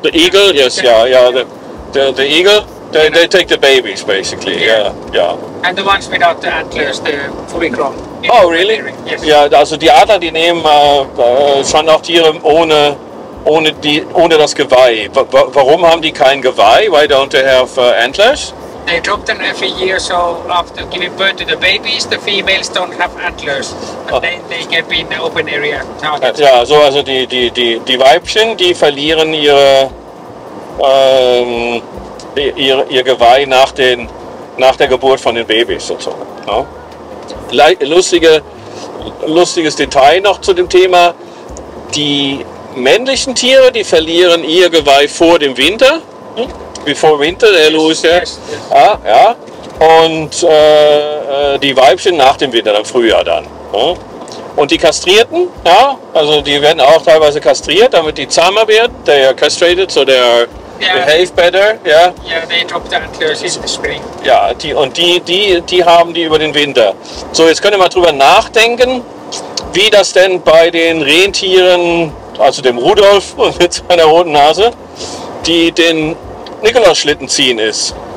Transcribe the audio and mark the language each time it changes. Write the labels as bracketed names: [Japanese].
[English] The Eagle, yes, yeah, yeah, the Eagle, they take the babies basically, yeah. Yeah, yeah. And the ones without the antlers, the fully grown. Oh, really? Yes. [German] Ja, also die Adler, die nehmen schon auch Tiere ohne das Geweih. Warum haben die kein Geweih? [English] Why don't they have antlers? They drop them every year, so after giving birth to the babies, the females don't have antlers, and then they can be in the open area target. [German] Ja, so also die Weibchen, die verlieren ihr Geweih nach der Geburt von den Babys sozusagen. Ja. Lustiges Detail noch zu dem Thema: Die männlichen Tiere, die verlieren ihr Geweih vor dem Winter. [English] Before winter, they lose, yes. [German] Ah, ja. und die Weibchen nach dem Winter, im Frühjahr dann. Ja? Und die Kastrierten, ja, also die werden auch teilweise kastriert, damit die zahmer werden. [English] They are castrated, so they are behave better. Yeah. Yeah, they drop the antlers in the spring. [German] Ja, die, und die haben die über den Winter. So, jetzt könnt ihr mal drüber nachdenken, wie das denn bei den Rentieren, also dem Rudolf mit seiner roten Nase, die den Nikolausschlitten ziehen ist.